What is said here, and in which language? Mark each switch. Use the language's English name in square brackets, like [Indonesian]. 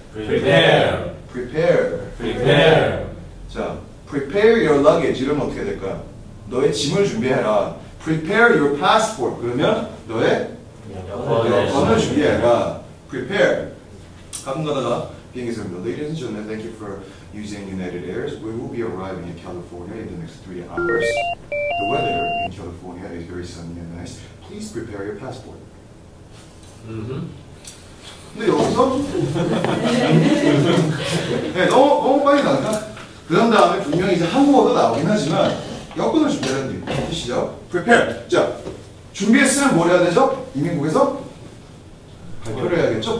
[English] Prepare. Prepare. Prepare. [Korean] 자, [English] prepare your luggage. [Korean] 이러면 어떻게 될까요? 너의 짐을 준비해라. [English] Prepare your passport. [Korean] 그러면 너의 여권을 준비해라. Prepare. 가끔가다가 비행기 설명. [English] Ladies and gentlemen, thank you for using United Airs. We will be arriving in California in the next 3 hours. The weather in California is very sunny and nice. Please prepare your passport. [Korean] 근데 여기서 네, 너무 빨리 나가. 그런 다음에 분명히 이제 한국어도 나오긴 하지만 여권을 준비하는 뜻이죠. [English] Prepare. [Korean] 자, 준비했으면 뭘 해야 되죠? 이민국에서 발표를 해야겠죠?